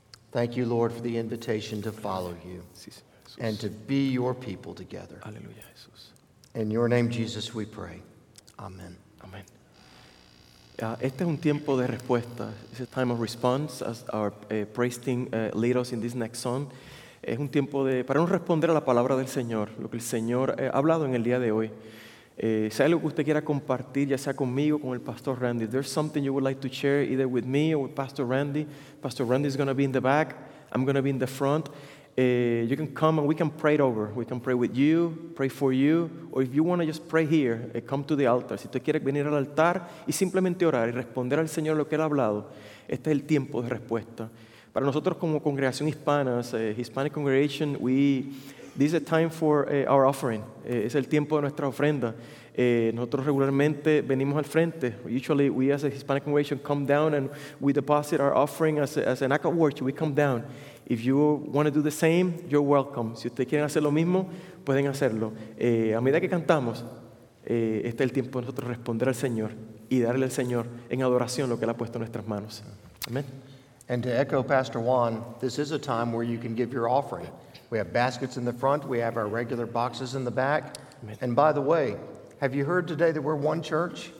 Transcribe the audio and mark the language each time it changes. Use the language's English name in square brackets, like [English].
[English] Thank you, Lord, for the invitation to follow you and to be your people together. Hallelujah, Jesus. In your name, Jesus, we pray. Amen. Amen. [Spanish] Este es un tiempo de respuesta. [English] It's a time of response, as our praise team lead us in this next song. [Spanish] Es un tiempo de para no responder a la palabra del Señor, lo que el Señor ha hablado en el día de hoy. Si hay algo que usted quiera compartir, ya sea conmigo o con el Pastor Randy, [English] there's something you would like to share either with me or with Pastor Randy. Pastor Randy is going to be in the back. I'm going to be in the front. You can come and we can pray it over. We can pray with you, pray for you. Or if you want to just pray here, come to the altar. [Spanish] Si usted quiere venir al altar y simplemente orar y responder al Señor lo que Él ha hablado, este es el tiempo de respuesta. Para nosotros como congregación hispana, [English] Hispanic congregation, this is a time for our offering. [Spanish] Es el tiempo de nuestra ofrenda. Nosotros regularmente venimos al frente. [English] Usually we as a Hispanic congregation come down and we deposit our offering as an act of worship. We come down. If you want to do the same, you're welcome. [Spanish] Si ustedes quieren hacer lo mismo, pueden hacerlo. A medida que cantamos, este es el tiempo de nosotros responder al Señor y darle al Señor en adoración lo que Él ha puesto en nuestras manos. Amen. [English] And to echo Pastor Juan, this is a time where you can give your offering. We have baskets in the front. We have our regular boxes in the back. Amen. And by the way, have you heard today that we're one church?